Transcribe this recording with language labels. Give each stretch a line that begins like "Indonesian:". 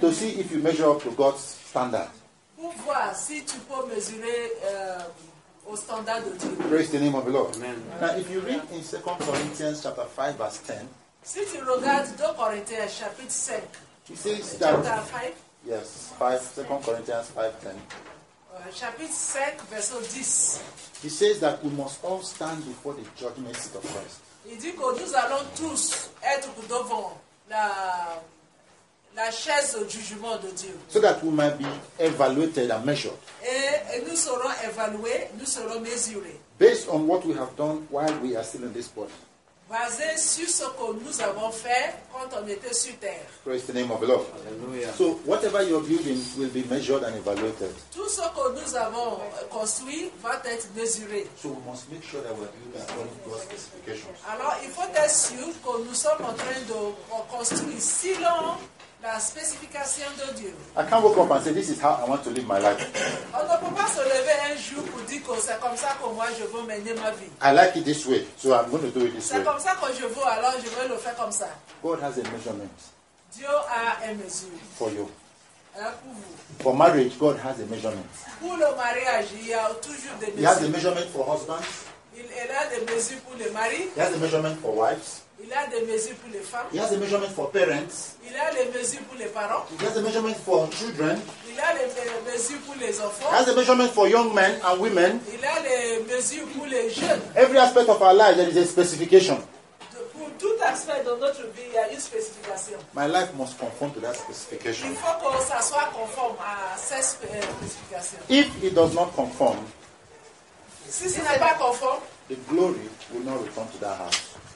English: To see if you measure up to God's standard.
French: Pour voir si tu peux mesurer au standard de Dieu.
English: Praise the name of the Lord. Amen. Now, if you read in 2 Corinthians chapter 5, verse 10.
French: Si tu regardes 2 Corinthians chapitre 5.
English: He says that. Chapter 5. Yes, 5, 2 Corinthians 5, 10.
French: Chapitre 5, verset 10.
English: He says that we must all stand before the judgment seat of Christ.
French: Il dit que nous allons tous être devant la chaise au jugement de Dieu.
English: So that we might be evaluated and measured.
French: Et nous serons évalués, nous serons mesurés.
English: Based on what we have done while we are still in this body.
French: Basé sur ce que nous avons fait quand on était sur terre.
English: Praise the name of the Lord. Hallelujah. So whatever you're building will be measured and evaluated.
French: Tout ce que nous avons construit va être mesuré.
English: So we must make sure that we're building according to God's specifications.
French: Alors il faut être sûr que nous sommes en train de construire selon la spécification de Dieu.
English: I can't wake up and say this is how I want to live my life.
French: On ne peut pas se lever un jour pour dire que c'est comme ça que moi je veux mener ma vie.
English: I like it this way, so I'm going to do it this way.
French: C'est comme ça que je veux, alors je veux le faire comme ça.
English: God has a measurement.
French: Dieu a une mesure.
English: For you.
French: Pour vous.
English: For marriage, God has a measurement.
French: Pour le mariage, il y a toujours des mesures.
English: He has a measurement for husbands.
French: Il a des mesures pour les maris.
English: He has a measurement for wives.
French: Il a des mesures pour les femmes.
English: He has a measurement for parents.
French: Il a des mesures pour les parents.
English: He has a measurement for children.
French: Il a des mesures pour les enfants.
English: He has a measurement for young men and women.
French: Il a des mesures pour les jeunes.
English: Every aspect of our life, there is a specification.
French: Pour tout aspect de notre vie, il y a une spécification.
English: My life must conform to that specification.
French: Il faut que ça soit conforme à cette spécification.
English: If it does not conform,
French: si ce n'est pas conforme,
English: the glory will not return to that house.